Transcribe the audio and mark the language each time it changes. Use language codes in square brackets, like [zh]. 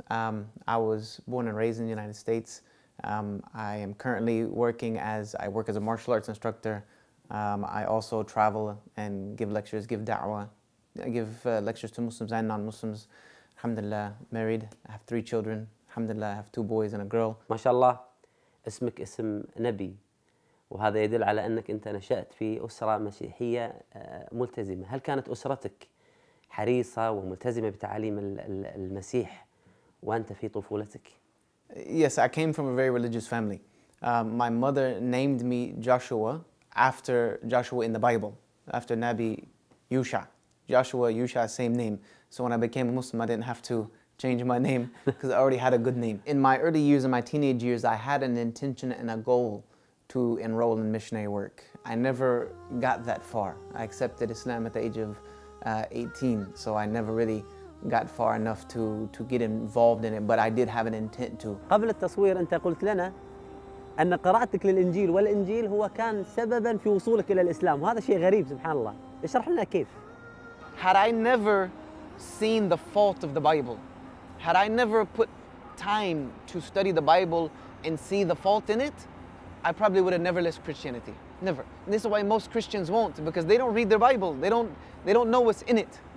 [en] I was born and raised in the United States. I am currently working as, I work as a martial arts instructor. I also travel and give lectures, give da'wah. I give lectures to Muslims and non-Muslims. Alhamdulillah, married. I have 3 children. Alhamdulillah, I have 2 boys and a girl. [ar] MashaAllah, اسمك اسم نبي. وهذا يدل على أنك أنت نشأت في أسرة مسيحية ملتزمة. هل كانت أسرتك حريصة وملتزمة بتعاليم المسيح وأنت في طفولتك؟ [en] Yes, I came from a very religious family. My mother named me Joshua after Joshua in the Bible, after Nabi Yousha. Joshua, Yousha, same name. So when I became a Muslim, I didn't have to change my name because I already had a good name. In my early years, in my teenage years, I had an intention and a goal to enroll in missionary work. I never got that far. I accepted Islam at the age of 18, so I never really got far enough to get involved in it, but I did have an intent to. [ar] قبل التصوير أنت قلت لنا أن قراءتك للإنجيل والإنجيل هو كان سبباً في وصولك إلى الإسلام وهذا شيء غريب سبحان الله اشرح لنا كيف. [en] Had I never seen the fault of the Bible, had I never put time to study the Bible and see the fault in it, I probably would have never left Christianity. Never. And this is why most Christians won't, because they don't read their Bible. They don't know what's in it.